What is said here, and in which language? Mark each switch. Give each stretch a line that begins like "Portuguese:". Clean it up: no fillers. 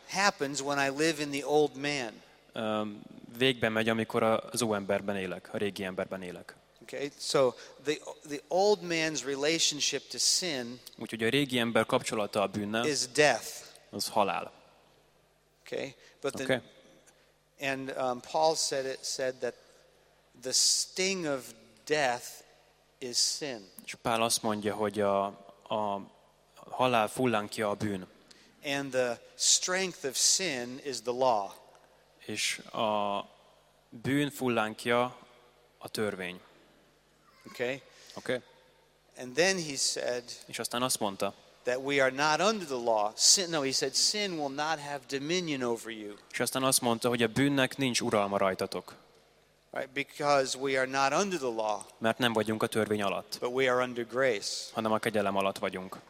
English: happens when I live in the old man.
Hungarian: Végbe megy, amikor az új emberben élek, a régi emberben élek.
English: Okay, so the old man's relationship to sin,
Hungarian: úgyhogy a régi ember kapcsolata a bűnnel,
English: is death,
Hungarian: az halál.
English: Okay, but then, okay. And Paul said that the sting of death is sin.
Hungarian: És Pál azt mondja, hogy a halál fullánkja a bűn.
English: And the strength of sin is the law.
Hungarian: És a bűn fullánkja a törvény.
English: Okay. Okay. And then he said,
Hungarian: és aztán azt mondta,
English: that we are not under the law. Sin, no, he said, sin will not have dominion over you.
Hungarian: És aztán azt mondta, hogy a bűnnek nincs uralma rajtatok.
English: Right, because we are not under the law.
Hungarian: Mert nem vagyunk a törvény alatt.
English: But we are under grace.
Hungarian: Hanem a kegyelem alatt vagyunk.